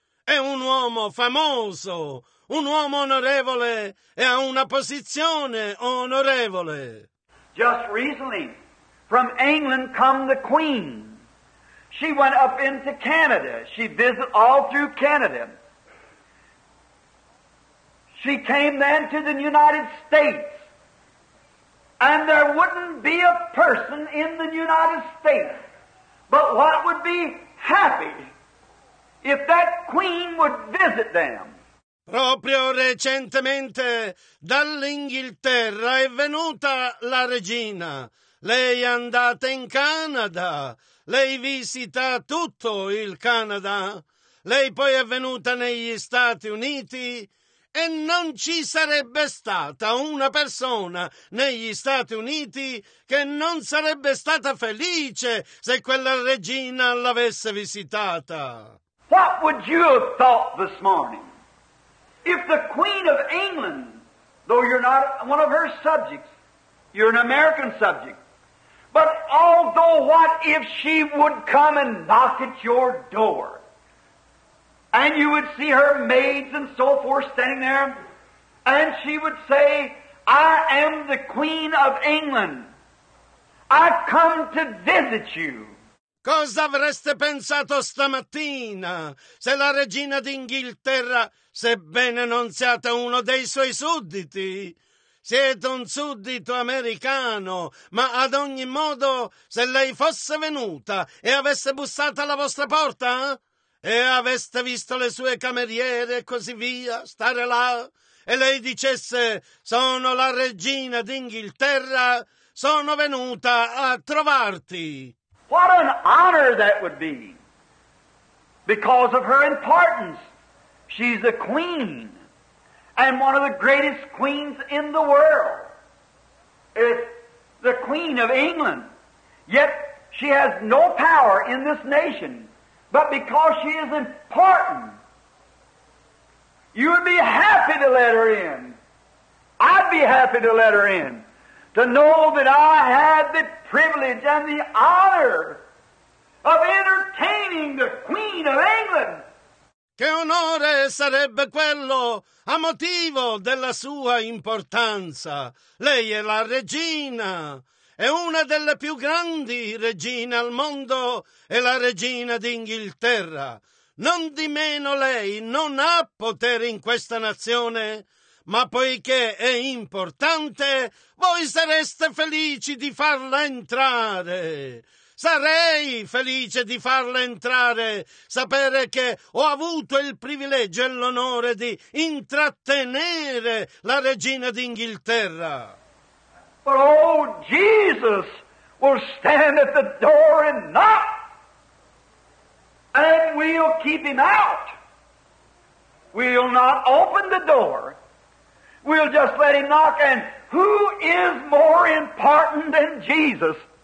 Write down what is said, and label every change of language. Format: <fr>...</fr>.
<it>È un uomo famoso, un uomo onorevole e ha una posizione onorevole.</it> <en>Just recently, from England come the Queen. She went up into Canada. She visited all through Canada. She came then to the United States. And there wouldn't be a person in the United States but what would be happy if that queen would visit them.</en> <it>Proprio recentemente dall'Inghilterra è venuta la regina. Lei è andata in Canada, lei visita tutto il Canada. Lei poi è venuta negli Stati Uniti e non ci sarebbe stata una persona negli Stati Uniti che non sarebbe stata felice se quella regina l'avesse visitata.</it> <en>What would you have thought this morning? If the Queen of England, though you're not one of her subjects, you're an American subject, but although what if she would come and knock at your door and you would see her maids and so forth standing there and she would say, I am the Queen of England. I've come to visit you.</en> <it>Cosa avreste pensato stamattina se la regina d'Inghilterra, sebbene non siate uno dei suoi sudditi, siete un suddito americano, ma ad ogni modo se lei fosse venuta e avesse bussato alla vostra porta e aveste visto le sue cameriere e così via stare là e lei dicesse «Sono la regina d'Inghilterra, sono venuta a trovarti».</it> <en>What an honor that would be because of her importance. She's a queen and one of the greatest queens in the world. It's the Queen of England. Yet she has no power in this nation. But because she is important, you would be happy to let her in. I'd be happy to let her in. To know that I had the privilege and the honor of entertaining the Queen of England.</en> <it>Che onore sarebbe quello a motivo della sua importanza. Lei è la regina, è una delle più grandi regine al mondo, è la regina d'Inghilterra. Non di meno lei non ha potere in questa nazione. Ma poiché è importante, voi sareste felici di farla entrare. Sarei felice di farla entrare, sapere che ho avuto il privilegio e l'onore di intrattenere la regina d'Inghilterra.</it> <en>But oh, Jesus will stand at the door and knock, and we'll keep him out. We'll not open the door. We'll just let him knock, and who is more important than Jesus?</en>